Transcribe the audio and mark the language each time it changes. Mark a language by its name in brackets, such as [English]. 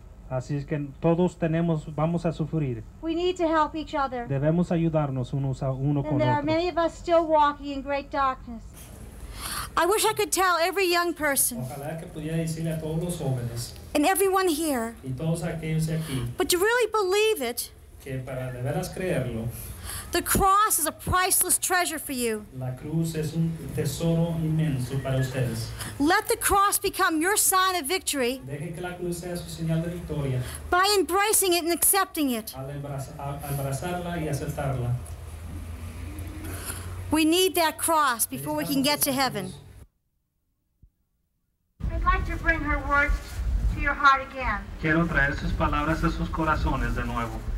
[Spanish] Así es que todos tenemos, vamos a sufrir. [English] We need to help each other. [Spanish] Debemos ayudarnos unos a uno con otro. [English] And there are many of us still walking in great darkness. I wish I could tell every young person. [Spanish] Ojalá que pudiera decirle a todos los jóvenes. [English] And everyone here. [Spanish] Y todos aquellos aquí. [English] But to really believe it. [Spanish] Que para de veras creerlo. [English] The cross is a priceless treasure for you. [Spanish] La cruz es un tesoro inmenso para ustedes. [English] Let the cross become your sign of victory. [Spanish] Deje que la cruz sea su señal de victoria. [English] By embracing it and accepting it. [Spanish] Abrazarla y aceptarla. [English] We need that cross before we can get to heaven. I'd like to bring her words to your heart again. [Spanish] Quiero traer sus palabras a sus corazones de nuevo.